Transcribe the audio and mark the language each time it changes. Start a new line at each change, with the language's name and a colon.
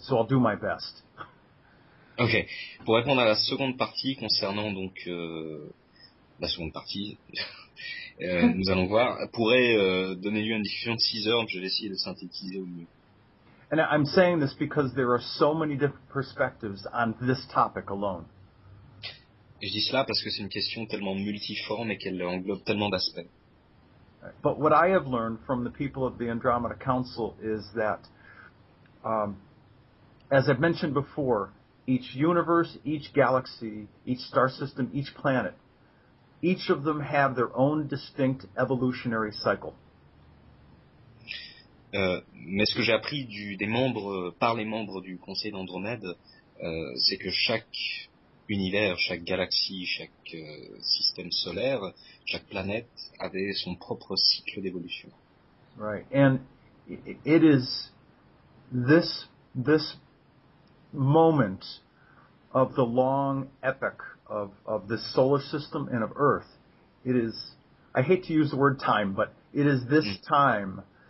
English: So I'll do my best. Ok.
French: Pour répondre à la seconde partie concernant donc la seconde partie, nous allons voir, pourrait donner lieu à une discussion de 6 heures, je vais essayer de synthétiser au mieux.
English: And I'm saying this because there are so many different perspectives on this topic alone.
French: Je dis cela parce que c'est une question tellement multiforme et qu'elle englobe tellement d'aspects.
English: But what I have learned from the people of the Andromeda Council is that, as I've mentioned before, each universe, each galaxy, each star system, each planet, each of them have their own distinct evolutionary cycle.
French: Mais ce que j'ai appris par les membres du Conseil d'Andromède, c'est que chaque univers, chaque galaxie, chaque système solaire, chaque planète avait son propre cycle d'évolution.
English: Right, and it is this moment of the long epoch of this solar system and of Earth. It is, I hate to use the word time, but it is this time.